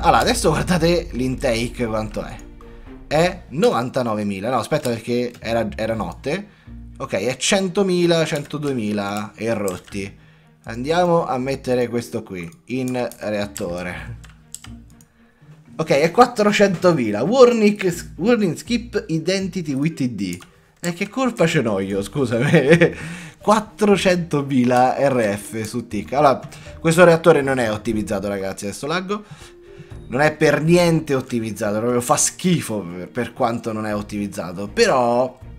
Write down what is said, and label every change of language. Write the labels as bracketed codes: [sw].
[it] Allora, adesso guardate l'intake quanto è 99.000, no, aspetta perché era notte. Ok, è 100.000, 102.000 e rotti. Andiamo a mettere questo qui in reattore. Ok, è 400.000. [en] Warning skip identity with ID. [it] Che colpa ce n'ho io, scusami. 400.000 RF su tick. Allora, questo reattore non è ottimizzato, ragazzi. Adesso laggo. Non è per niente ottimizzato. Proprio fa schifo per quanto non è ottimizzato. Però.